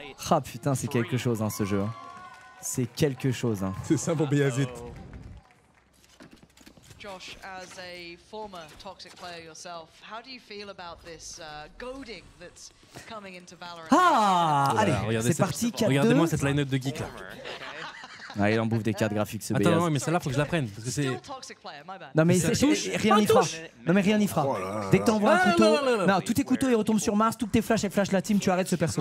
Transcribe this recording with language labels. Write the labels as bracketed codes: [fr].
[fr] Ah putain, c'est quelque chose hein, ce jeu. C'est quelque chose hein. C'est ça pour Beyazit. [en] Josh, as a former toxic player yourself, how do you feel about this goading that's coming into Valorant? [fr] Ah, allez, voilà, c'est parti. Regardez-moi cette line-up de geek là. Ah, il en bouffe des cartes graphiques, ce Beyaz. Attends, non, mais celle-là, faut que je la prenne. Parce que c'est... Non, mais c'est... rien n'y fera. Oh là là. Dès que t'envoies un couteau. Non, tous tes couteaux, ils retombent sur Mars. Toutes tes flashs, elles flashent la team. Tu arrêtes ce perso.